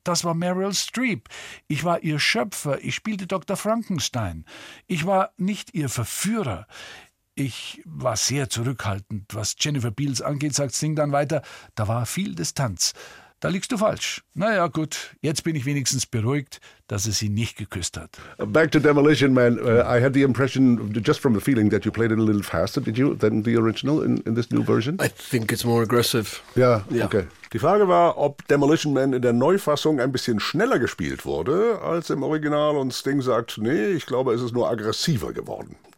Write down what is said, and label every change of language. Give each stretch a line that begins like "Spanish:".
German: Das war Meryl Streep. Ich war ihr Schöpfer. Ich spielte Dr. Frankenstein. Ich war nicht ihr Verführer. Ich war sehr zurückhaltend. Was Jennifer Beals angeht, sagt Sting dann weiter, da war viel Distanz. Da liegst du falsch. Naja, gut, jetzt bin ich wenigstens beruhigt, dass er sie nicht geküsst hat.
English: Back to Demolition Man. I had the impression, just from the feeling, that you played it a little faster, did you, than the original in this new version? I think it's more aggressive. Yeah. Okay.
German: Die Frage war, ob Demolition Man in der Neufassung ein bisschen schneller gespielt wurde als im Original. Und Sting sagt, nee, ich glaube, es ist nur aggressiver geworden.